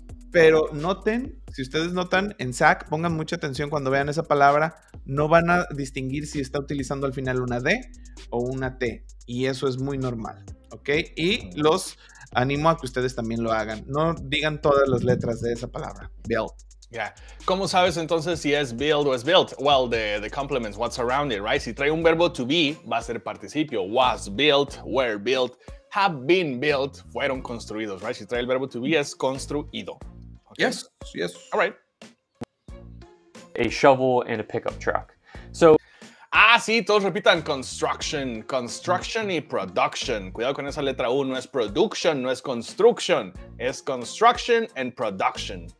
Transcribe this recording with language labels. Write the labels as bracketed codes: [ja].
[es] Pero noten, si ustedes notan en SAC, pongan mucha atención cuando vean esa palabra, no van a distinguir si está utilizando al final una D o una T. Y eso es muy normal, ¿ok? Y los animo a que ustedes también lo hagan. No digan todas las letras de esa palabra, build. Yeah. ¿Cómo sabes entonces si es build o es built? [en] Well, the complements, what's around it, [es] right? Si trae un verbo to be, va a ser participio. [en] Was built, were built, have been built, [es] fueron construidos, [en] right? [es] Si trae el verbo to be, es construido. [en] Okay. Yes. All right. A shovel and a pickup truck. So. [es] Ah, sí, todos repitan construction. Construction y production. Cuidado con esa letra U. No es production, no es construction. Es construction and production.